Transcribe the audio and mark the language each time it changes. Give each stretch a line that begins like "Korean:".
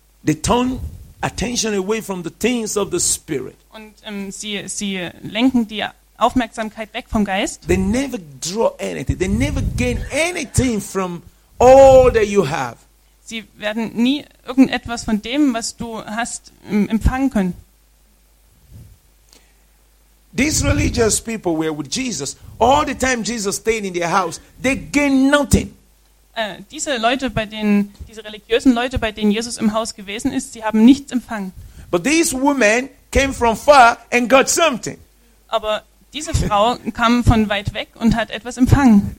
English: They turn attention away from the things of the spirit.
German: Und sie lenken dir Aufmerksamkeit weg vom Geist.
English: They never draw anything. They never gain anything from all that you have.
German: Sie werden nie irgendetwas von dem, was du hast, empfangen können.
English: These religious people were with Jesus all the time. Jesus stayed in their house. They gain nothing.
German: Diese religiösen Leute, bei denen Jesus im Haus gewesen ist, sie haben nichts empfangen.
English: But these women came from far and got something.
German: Aber diese Frau kam von weit weg und hat etwas empfangen.